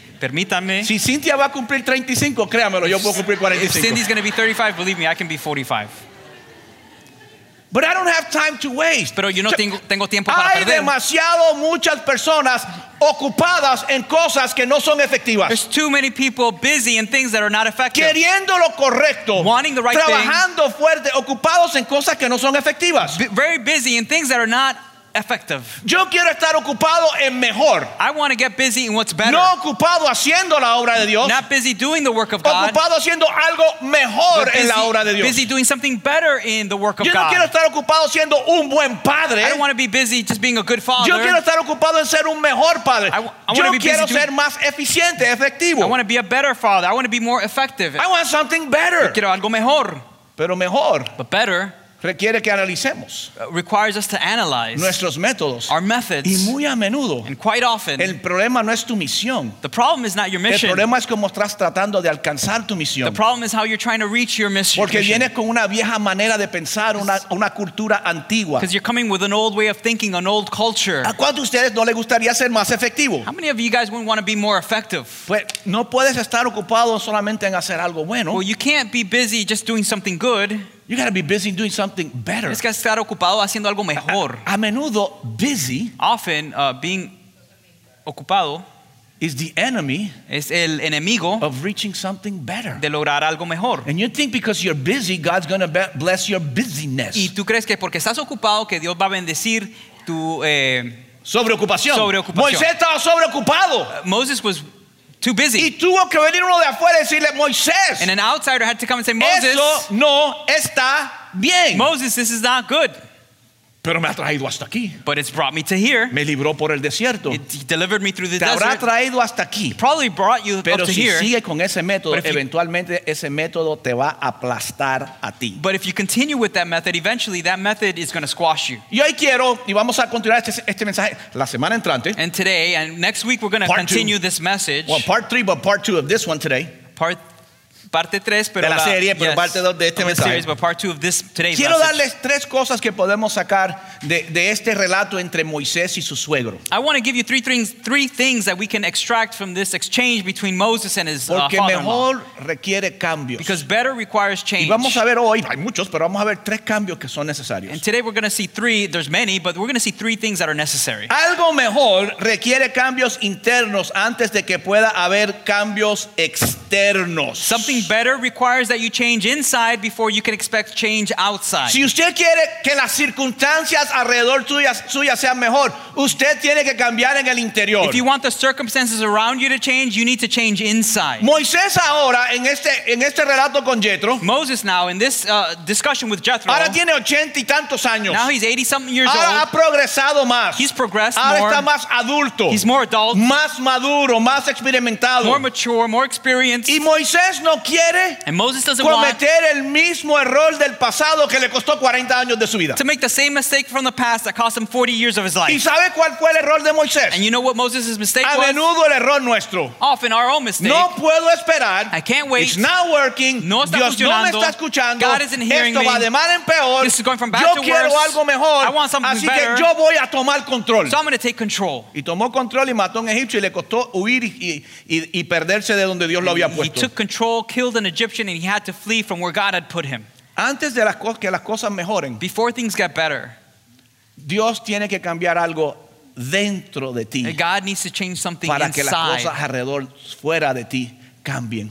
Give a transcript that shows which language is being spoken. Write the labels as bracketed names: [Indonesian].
[Spanish] Permítame. Si Cynthia va a cumplir 35, créamelo, yo puedo cumplir 45. [English] If Cindy's going to be 35, believe me, I can be 45. But I don't have time to waste. [Spanish] Pero yo no tengo tiempo para perder. Hay demasiado muchas personas ocupadas en cosas que no son efectivas. [English] There's too many people busy in things that are not effective. [Spanish] Queriendo lo correcto. [English] Wanting the right [Spanish] trabajando Trabajando fuerte, ocupados en cosas que no son efectivas. [English] Very busy in things that are not effective. [Spanish] Yo quiero estar ocupado en mejor. [English] I want to get busy in what's better. [Spanish] No ocupado haciendo la obra de Dios. [English] Not busy doing the work of God. [Spanish] Ocupado haciendo algo mejor en la obra de Dios. [English] Busy doing something better in the work of [Spanish] God. Yo no quiero estar ocupado siendo un buen padre. [English] I don't want to be busy just being a good father. [Spanish] Yo quiero estar ocupado en ser un mejor padre. [English] I want to be [Spanish] más eficiente, efectivo. [English] I want to be a better father. I want to be more effective. I want something better. [Spanish] Yo quiero algo mejor. Pero mejor. [English] But better. [Spanish] Requiere que analicemos [English] requires us to analyze [Spanish] nuestros métodos [English] our methods [Spanish] y muy a menudo [English] and quite often [Spanish] el problema no es tu misión [English] the problem is not your mission [Spanish] el problema es cómo estás tratando de alcanzar tu misión [English] the problem is how you're trying to reach your mission [Spanish] porque vienes con una vieja manera de pensar una cultura antigua [English] because you're coming with an old way of thinking an old culture [Spanish] ¿a cuántos de ustedes no les gustaría ser más efectivo? [English] How many of you guys wouldn't want to be more effective? [Spanish] Pues no puedes estar ocupado solamente en hacer algo bueno [English] well you can't be busy just doing something good. You gotta be busy doing something better. [Spanish] Tienes que estar ocupado haciendo algo mejor. A menudo, [English] busy. Often, being [Spanish] ocupado. [English] Is the enemy. [Spanish] Es el enemigo. [English] Of reaching something better. [Spanish] De lograr algo mejor. [English] And you think because you're busy, God's gonna bless your busyness. [Spanish] Y tú crees que porque estás ocupado que Dios va a bendecir tu sobreocupación. Sobreocupación. Moisés estaba sobreocupado. [English] Moses was too busy. [Spanish] Y tuvo que venir uno de afuera y decirle, Moisés, [English] and an outsider had to come and say, Moses, [Spanish] eso no está bien. [English] Moses, this is not good. [Spanish] Pero me ha traído hasta aquí. [English] But it's brought me to here. [Spanish] Me libró por el desierto. [English] It delivered me through the [Spanish] te [English] desert. [Spanish] Habrá traído hasta aquí. [English] It probably brought you [Spanish] pero [English] up [Spanish] si [English] to here. [Spanish] Pero si sigue con ese método, eventualmente ese método te va a aplastar a ti. [English] But if you continue with that method, eventually that method is going to squash you. [Spanish] Y hoy quiero, y vamos a continuar este mensaje la semana entrante. [English] And today, and next week we're going to continue two. This message. Well, part three, but part two of this one today. [Spanish] Parte 3, pero de la serie, pero [English] yes, [Spanish] parte 2 de este mensaje. [English] Series, but part two of this, today's [Spanish] quiero Darles tres cosas que podemos sacar de este relato entre Moisés y su suegro. [English] I want to give you three things that we can extract from this exchange between Moses and his father-in-law. [Spanish] Porque mejor requiere cambios. [English] Because better requires change. [Spanish] Y vamos a ver hoy, hay muchos, pero vamos a ver tres cambios que son necesarios. [English] And today we're going to see three, there's many, but we're going to see three things that are necessary. [Spanish] Algo mejor requiere cambios internos antes de que pueda haber cambios externos. [English] Something better requires that you change inside before you can expect change outside. [Spanish] Si usted quiere que las circunstancias alrededor suya sean mejor, usted tiene que cambiar en el interior. [English] If you want the circumstances around you to change, you need to change inside. [Spanish] Moisés ahora en este relato con Jethro. [English] Moses now in this discussion with Jethro. [Spanish] Ahora tiene 80 y tantos años. [English] Now he's 80 something years [Spanish] ahora [English] old. [Spanish] Ahora ha progresado más. [English] He's progressed [Spanish] ahora [English] more. [Spanish] Ahora está más adulto. [English] He's more adult. [Spanish] Más maduro, más experimentado. [English] More mature, more experienced. [Spanish] Y Moisés no quiere [English] and Moses doesn't [Spanish] cometer el mismo error del pasado que le costó 40 años de su vida. [English] To make the same mistake from the past that cost him 40 years of his life. [Spanish] ¿Y sabe cuál fue el error de Moisés? [English] And you know what Moses' mistake [Spanish] a [English] was? [Spanish] A menudo el error nuestro. [English] Often our own mistake. [Spanish] No puedo esperar. [English] I can't wait. It's not working. [Spanish] No está Dios funcionando. No me está escuchando. [English] God isn't hearing [Spanish] esto [English] me. [Spanish] Va de mal en peor. [English] This is going from bad [Spanish] yo [English] to [Spanish] quiero [English] worse. [Spanish] Algo mejor. [English] I want something [Spanish] así [English] better. [Spanish] Así que yo voy a tomar control. [English] So I'm going to take control. [Spanish] Y tomó control y mató a un egipcio y le costó huir y perderse de donde Dios lo había puesto. [English] He took control. Killed an Egyptian and he had to flee from where God had put him. [Spanish] Antes de que las cosas mejoren, [English] before things get better, [Spanish] Dios tiene que cambiar algo dentro de ti. [English] God needs to change something [Spanish] para [English] inside. [Spanish] Para que las cosas alrededor fuera de ti cambien.